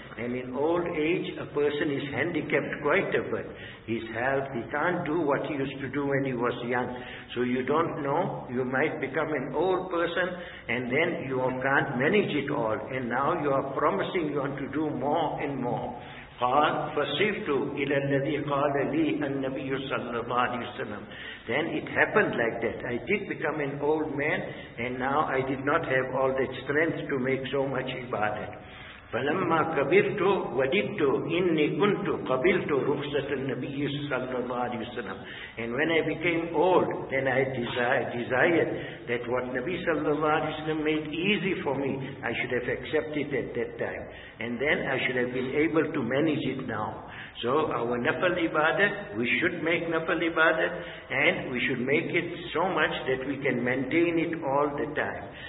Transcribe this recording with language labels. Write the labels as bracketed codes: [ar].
[en] And in old age, a person is handicapped quite a bit. His health, he can't do what he used to do when he was young. So you don't know, you might become an old person, and then you can't manage it all. And now you are promising you want to do more and more. [ar] قال فصفت إلى الذي قال لي النبي صلى الله عليه وسلم. [en] Then it happened like that. I did become an old man, and now I did not have all that strength to make so much ibadat. [ar] فلما كبرت وددت اني كنت قبلت رخصة النبي صلى الله عليه وسلم. [en] And when I became old, then I desired that what Nabi sallallahu alayhi wa sallam made easy for me, I should have accepted at that time. And then I should have been able to manage it now. So our nafal ibadat, we should make nafal ibadat, and we should make it so much that we can maintain it all the time.